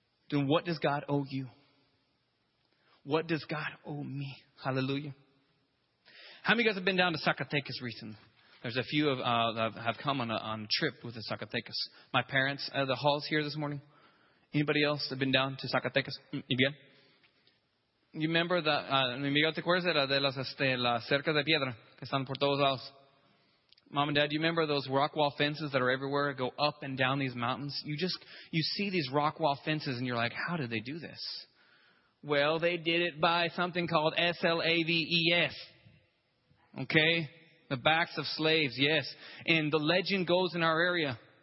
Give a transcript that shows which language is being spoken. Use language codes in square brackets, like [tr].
[en] No. Then what does God owe you? What does God owe me? Hallelujah. How many of you guys have been down to Zacatecas recently? There's a few of that have come on a trip with the Zacatecas. My parents, the Halls here this morning. Anybody else have been down to Zacatecas? Miguel? You remember that, [es] Miguel, te acuerdas de las cercas de piedra que están por todos lados? [en] Mom and Dad, you remember those rock wall fences that are everywhere, go up and down these mountains? You see these rock wall fences and you're like, how did they do this? Well, they did it by something called slaves. Okay? The backs of slaves, yes. And the legend goes in our area.